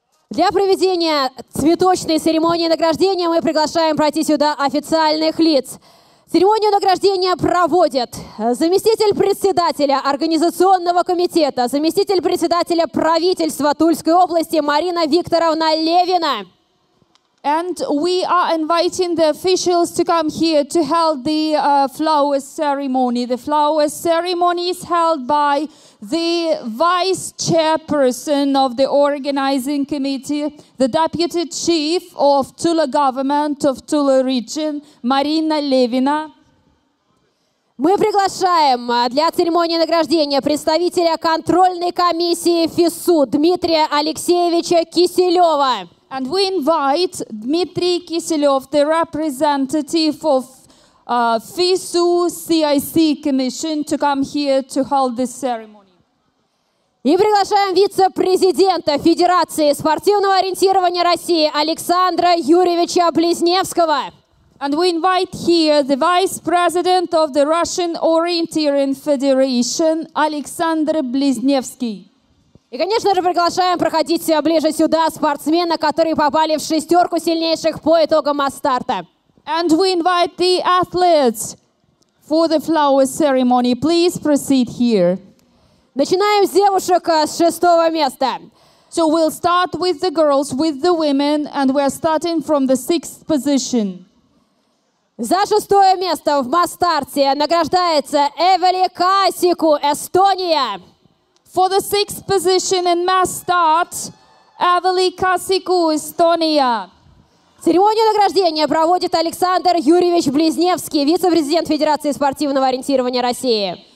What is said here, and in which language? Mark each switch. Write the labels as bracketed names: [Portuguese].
[Russian] Для проведения цветочной церемонии награждения мы приглашаем пройти сюда официальных лиц. Церемонию награждения проводят заместитель председателя организационного комитета, заместитель председателя правительства Тульской области Марина Викторовна Левина. [English] And we are inviting the officials to come here to hold the flower ceremony. The flower ceremony is held by the vice chairperson of the organizing committee, the deputy chief of Tula government of Tula region, Marina Levina. [Russian] Мы приглашаем для церемонии награждения представителя контрольной комиссии ФИСУ Дмитрия Алексеевича Киселева. [English] And we invite Dmitry Kiselyov, the representative of FISU CIC Commission, to come here to hold this ceremony. [Russian] И приглашаем вице-президента Федерации спортивного ориентирования России Александра Юрьевича Близневского. [English] And we invite here the vice president of the Russian Orienteering Federation, Александр Близневский. [Russian] И, конечно же, приглашаем проходить все ближе сюда спортсмена, которые попали в шестерку сильнейших по итогам масс-старта. [English] And we invite the athletes for the flower ceremony. Please proceed here. [Russian] Начинаем с девушек с шестого места. [English] So we'll start with the girls, with the women, and we're starting from the sixth position. [Russian] За шестое место в масс-старте награждается Эвели Касику, Эстония. [English] For the sixth position in mass start, Эвели Касику, Эстония. [Russian] Церемонию награждения проводит Александр Юрьевич Близневский, вице-президент Федерации спортивного ориентирования России.